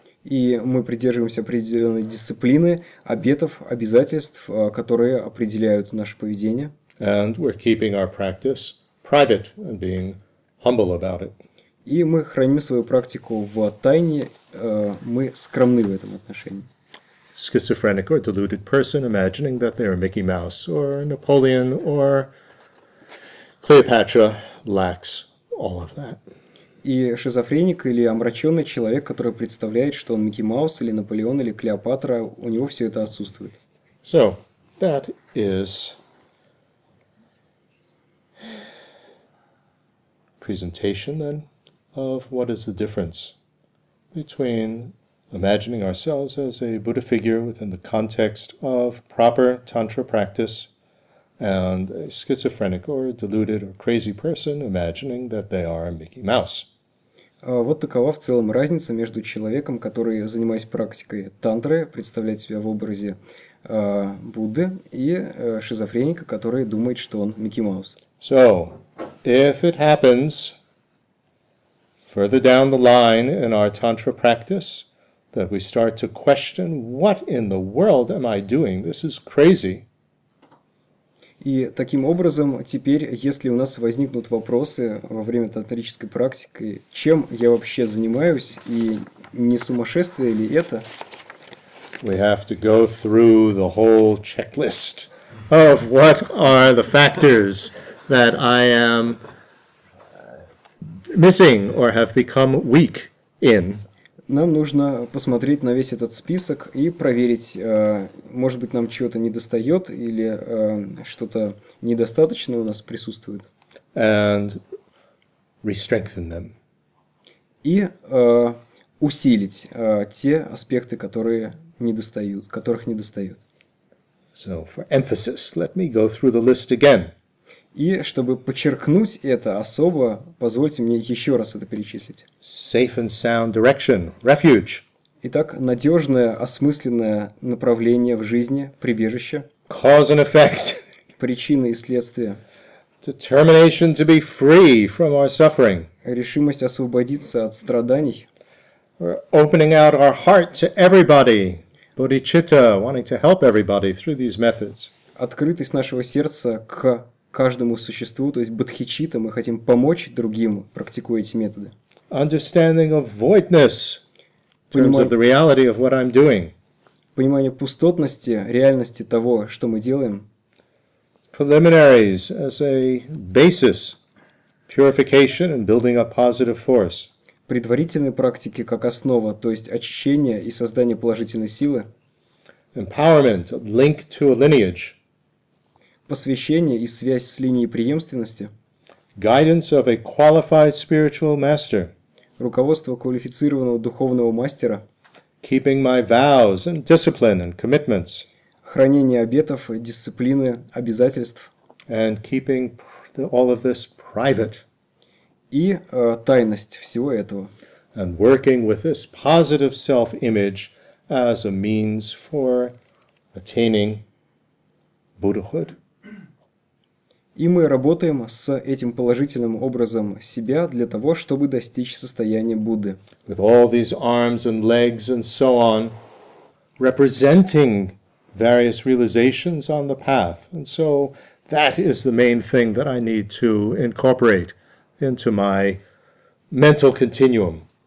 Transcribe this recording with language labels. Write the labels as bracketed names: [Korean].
[Russian] И мы придерживаемся определенной дисциплины, обетов, обязательств, которые определяют наше поведение. [English] And we're keeping our practice private and being humble about it. [Russian] И мы храним свою практику в тайне, мы скромны в этом отношении. [English] Schizophrenic or deluded person imagining that they are Mickey Mouse or Napoleon or Cleopatra lacks all of that. [Russian] И шизофреник или омраченный человек, который представляет, что он Микки Маус или Наполеон или Клеопатра, у него все это отсутствует. [English] So, that is presentation then of what is the difference between imagining ourselves as a Buddha figure within the context of proper tantra practice and a schizophrenic or a deluded or crazy person imagining that they are Mickey Mouse. [Russian] Вот такова в целом разница между человеком, который, занимаясь практикой тантры, представляет себя в образе Будды, и шизофреника, который думает, что он Микки Маус. [English] So, if it happens further down the line in our tantra practice, that we start to question, what in the world am I doing? This is crazy. [Russian] И таким образом, теперь, если у нас возникнут вопросы во время тантрической практики, чем я вообще занимаюсь и не сумасшествие ли это? [English] We have to go through the whole checklist of what are the factors that I am missing or have become weak in. [Russian] Нам нужно посмотреть на весь этот список и проверить, может быть, нам чего-то недостает или что-то недостаточное у нас присутствует. [English] And re-strengthen them. [Russian] И усилить те аспекты, которые недостают, которых недостает. [English] So for emphasis, let me go through the list again. [Russian] И чтобы подчеркнуть это особо, позвольте мне еще раз это перечислить. [English] Safe and sound direction, refuge. [Russian] Итак, надежное, осмысленное направление в жизни, прибежище. [English] Cause and effect. [Russian] Причины и следствия. [English] Determination to be free from our suffering. [Russian] Решимость освободиться от страданий. [English] We're opening out our heart to everybody. Bodhicitta, wanting to help everybody through these methods. [Russian] Открытость нашего сердца к каждому существу, то есть бодхичитта, мы хотим помочь другим, практикуя эти методы. [English] Understanding of voidness, terms of the reality of what I'm doing. [Russian] Понимание пустотности, реальности того, что мы делаем. [English] Preliminaries as a basis, purification and building up positive force. [Russian] Предварительные практики как основа, то есть очищение и создание положительной силы. [English] Empowerment, link to a lineage. [Russian] Посвящение и связь с линией преемственности. [English] Guidance of a qualified spiritual master. [Russian] Руководство квалифицированного духовного мастера. [English] Keeping my vows and discipline and commitments. [Russian] Хранение обетов, дисциплины, обязательств. [English] And keeping all of this private. [Russian] И тайность всего этого. [English] And working with this positive self-image as a means for attaining Buddhahood. [Russian] И мы работаем с этим положительным образом себя для того, чтобы достичь состояния Будды. [English] With all these arms and legs and so on, representing various realizations on the path. And so that is the main thing that I need to incorporate into my mental continuum.